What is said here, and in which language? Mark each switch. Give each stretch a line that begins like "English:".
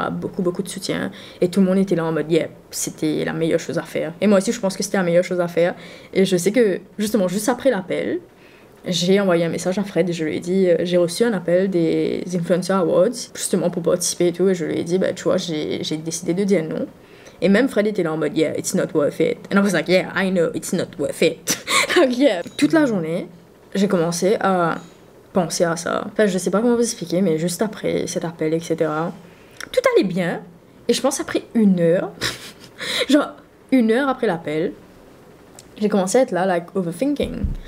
French: Beaucoup, beaucoup de soutien. Et tout le monde était là en mode, yeah, c'était la meilleure chose à faire. Et moi aussi, je pense que c'était la meilleure chose à faire. Et je sais que, justement, juste après l'appel, j'ai envoyé un message à Fred et je lui ai dit, j'ai reçu un appel des Influencer Awards, justement pour participer et tout. Et je lui ai dit, bah, tu vois, j'ai décidé de dire non. Et même Fred était là en mode,
English: yeah, it's not worth it. And I was like, yeah, I know, it's not worth it. Yeah.
French: Toute la journée, j'ai commencé à penser à ça. Enfin, je sais pas comment vous expliquer, mais juste après cet appel, etc., tout allait bien. Et je pense après une heure, genre une heure après l'appel, j'ai commencé à être là,
English: like, overthinking.